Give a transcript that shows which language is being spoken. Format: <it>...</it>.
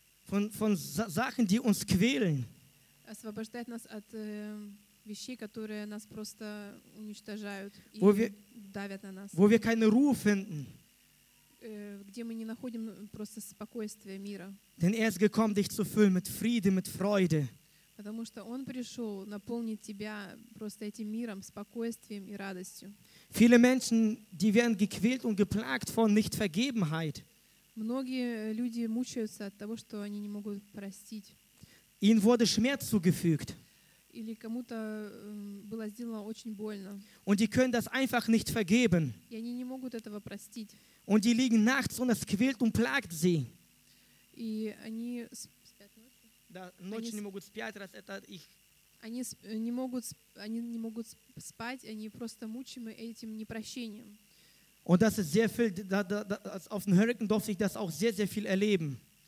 <de>Von Sachen, die uns quälen.</de> <ru>Освобождает нас от вещей, которые нас просто уничтожают и давят на нас.</ru> <de>Wo wir keine Ruhe finden.</de> <ru>Где мы не находим просто спокойствия мира.</ru> <de>Denn er ist gekommen, dich zu füllen mit Friede, mit Freude.</de> <ru>Потому что Он пришел наполнить тебя просто этим миром, спокойствием и радостью.</ru> <de>Viele Menschen, die werden gequält und geplagt von Nichtvergebenheit.</de> <ru>Многие люди мучаются от того, что они не могут простить.</ru> <de>Ihnen wurde Schmerz zugefügt.</de> <ru>Или кому-то было сделано очень больно.</ru> <de>Und die können das einfach nicht vergeben.</de> <ru>И они не могут этого простить.</ru> <de>Und die liegen nachts und es quält und plagt sie.</de> <ru>И они спят ночью. Да, ночью не могут спать, раз это их. Они не могут спать, они просто мучимы этим непрощением.</ru> <de>Und das ist sehr viel, das auf dem Hurricane durfte ich das auch sehr, sehr viel erleben.</de>